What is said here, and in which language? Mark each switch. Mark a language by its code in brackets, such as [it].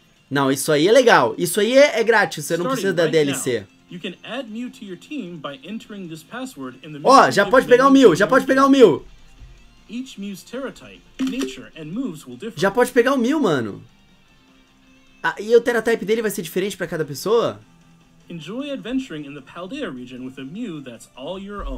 [pt] Não, isso aí é legal. Isso aí é grátis, você não precisa da DLC. [en] You can add Mew to your team by entering this password in the... [pt] Já pode pegar o Mew. [en] Each Mew's teratype, nature and moves will differ. [pt] Já pode pegar o Mew, mano. Ah, e o teratype dele vai ser diferente para cada pessoa? [en] Enjoy adventuring in the Paldea region with a Mew that's all your own.